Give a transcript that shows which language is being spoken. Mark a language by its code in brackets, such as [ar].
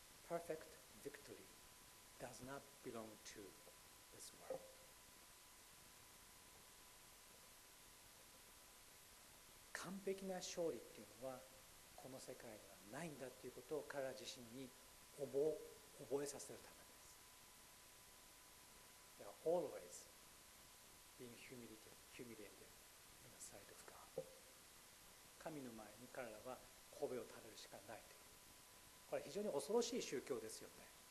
[en] Perfect victory does not belong to this world. [ja] 完璧な勝利っていうのはこの世界にはないんだっていうことを彼ら自身に覚えさせるためです。 [en] They are always being humiliated in the sight of God. [ja] 神の前に彼らは頭を垂れるしかないという。これ非常に恐ろしい宗教ですよね。